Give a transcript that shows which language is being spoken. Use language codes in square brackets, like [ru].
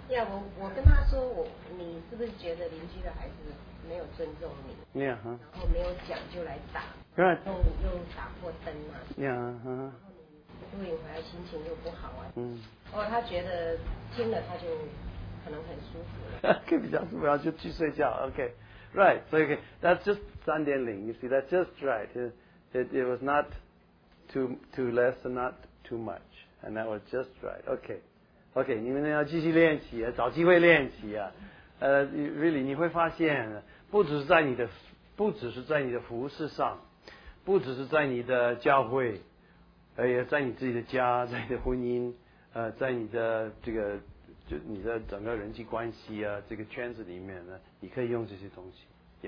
[zh] 呀、yeah, ，我跟他说你是不是觉得邻居的孩子没有尊重你？呀、yeah, huh? 然后没有讲就来打， right. 又打破灯嘛、啊。呀、yeah, huh?。露营回来心情又不好啊，嗯，哦，他觉得听了他就可能很舒服了，可以比较舒服，然后就去睡觉 [en] ，OK， right， [zh] 所以 [en] OK， that's just 3.0， you see， that's just right， it was not too less and not too much， and that was just right， OK。 [zh] OK， 你们要继续练习，找机会练习啊。Really， 你会发现，不只是在你的服事上，不只是在你的教会，也在你自己的家，在你的婚姻，在你的这个，就你的整个人际关系啊，这个圈子里面呢，你可以用这些东西。